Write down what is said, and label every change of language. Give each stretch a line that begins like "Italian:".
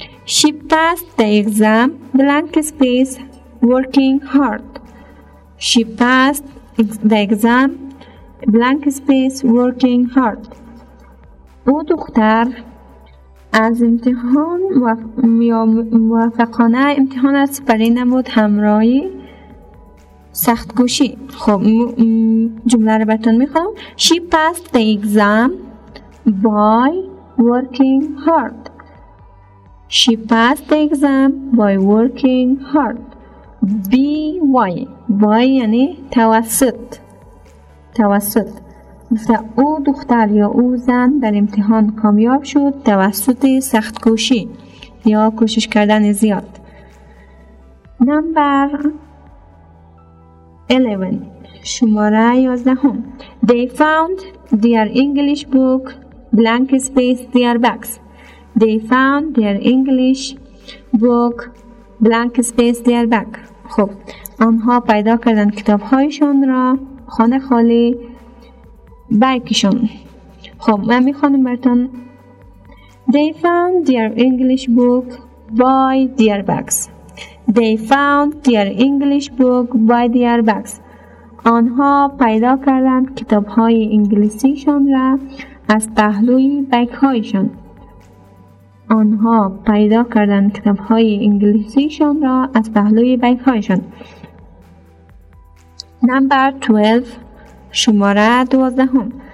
English: She passed the exam blank space working hard. She passed the exam blank space working hard.
Persian: او دختر از امتحان موفقانه امتحان را سپری نمود همراهی سخت کوشی. خب جمله را براتون میخوام.
English: She passed the exam by working hard. She passed the exam by working hard.
Persian: By. By یعنی توسط. توسط. مثلا او دختر یا او زن در امتحان کامیاب شد توسط سخت کوشی یا کوشش کردن زیاد.
English: Number 11.
Persian: شماره 11.
English: They found their English book blank space their bags. They found their English book blank space their bag.
Persian: خب آنها پیدا کردن کتاب هایشان را خانه خالی بیکشان. خب من میخوانم برتان.
English: They found their English book by their bags. They found their English book by their bags.
Persian: آنها پیدا کردن کتاب های انگلیسیشان را از پهلوی بیگ هایشان. آنها پیدا کردن کتاب های انگلیسیشان را از پهلوی بیگ هایشان.
English: Number 12.
Persian: شماره 12.